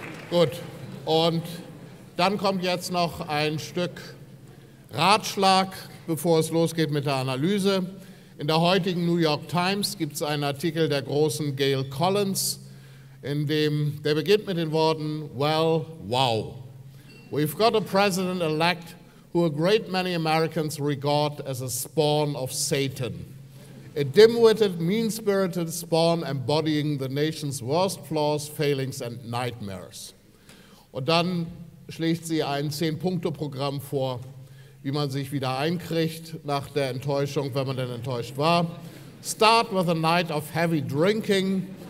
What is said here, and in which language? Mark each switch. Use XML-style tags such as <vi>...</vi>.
<de>Gut, und dann kommt jetzt noch ein Stück Ratschlag, bevor es losgeht mit der Analyse. In der heutigen New York Times gibt es einen Artikel der großen Gail Collins, in dem der beginnt mit den Worten,</de> <en>well, wow. We've got a president-elect who a great many Americans regard as a spawn of Satan. A dim-witted, mean-spirited spawn embodying the nation's worst flaws, failings and nightmares.</en> <de>Und dann schlägt sie ein 10-Punkte-Programm vor, wie man sich wieder einkriegt nach der Enttäuschung, wenn man denn enttäuscht war.</de> <en>Start with a night of heavy drinking.</en>